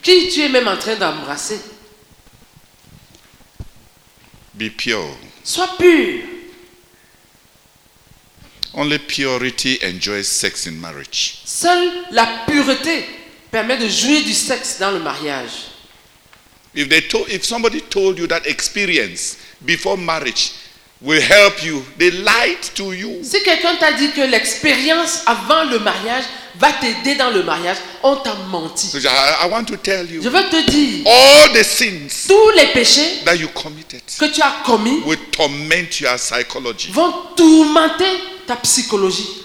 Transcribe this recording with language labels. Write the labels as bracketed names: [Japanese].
[French] Qui tu es même en train d'embrasser. [English] Be pure. [French] Sois pur. [English] Only purity enjoys sex in marriage. [French] Seule la pureté permet de jouir du sexe dans le mariage. [English] If somebody told you that experience before marriage will help you. They lied to you. [French] Si quelqu'un t'a dit que l'expérience avant le mariage va t'aider dans le mariage, on t'a menti. [English] I want to tell you. [French] Je veux te dire. [English] All the sins. [French] Tous les péchés. [English] That you committed. [French] Que tu as commis. [English] Will torment your psychology. [French] Vont tourmenter ta psychologie.